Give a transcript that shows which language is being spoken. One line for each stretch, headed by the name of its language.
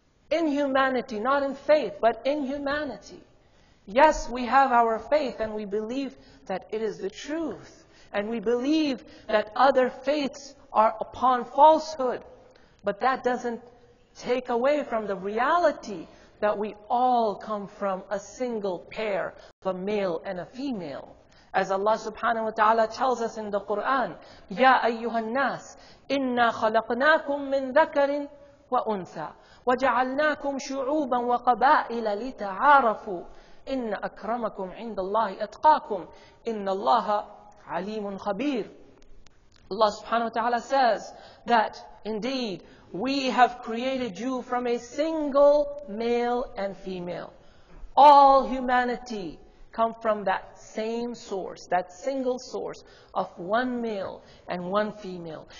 English: In humanity, not in faith, but in humanity. Yes, we have our faith and we believe that it is the truth. And we believe that other faiths are upon falsehood. But that doesn't take away from the reality that we all come from a single pair of a male and a female. As Allah subhanahu wa ta'ala tells us in the Qur'an, Ya
Arabic: أَيُّهَا النَّاسِ إِنَّا خَلَقْنَاكُمْ مِنْ ذَكَرٍ وَأُنْثَى وَجَعَلْنَاكُمْ شُعُوبًا وَقَبَائِلَ لِتَعَارَفُوا إن أكرمكم عند الله أتقاكم إن الله عليم خبير.
English: Allah subhanahu wa ta'ala says that indeed we have created you from a single male and female. All humanity come from that same source, that single source of one male and one female.